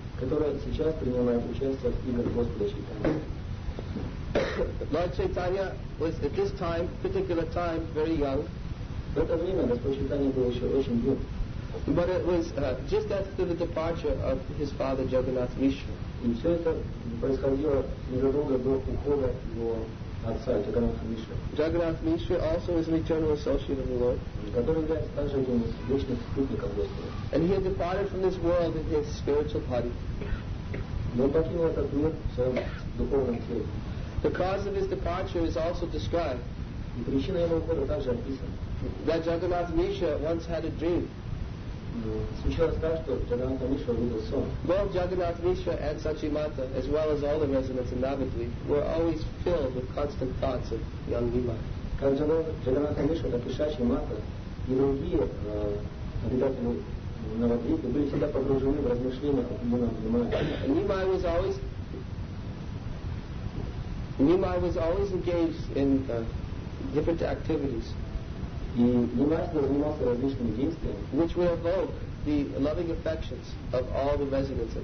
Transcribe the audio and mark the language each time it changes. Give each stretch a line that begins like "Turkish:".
Russian: Которая сейчас принимает участие в играх Господа Чайтанья.
English: Lord Chaitanya was at this time, particular time, very young.
Russian: В это время Господь Чайтанья был еще очень юн.
English: But it was just after the departure of his father Jagannath Mishra.
Russian: И все это происходило незадолго до ухода его отца Джаганнатха Мишры.
English: Jagannath Mishra also is an eternal associate of the Lord.
Russian: Который является также одним из вечных спутников Господа.
English: And he had departed from this world in his spiritual body.
Russian: Но он покинул этот мир в своем духовном теле.
English: The cause of his departure is also described.
Russian: И причина его ухода также описана.
English: That Jagannath Mishra once had a dream.
Russian: Случилось так, что Джаганнатха Мишра видел сон.
English: Both Jagannath Mishra and Sachi Mata, as well as all the residents in Navadvip, were always filled with constant thoughts of young Vimala.
Russian: как Джанарата Мишвата, Пишачи Мата и другие обитатели Навадвипы были всегда погружены в размышления о Нима внимании.
English: Nimai was always engaged in different activities, which would evoke the loving affections of all the residents of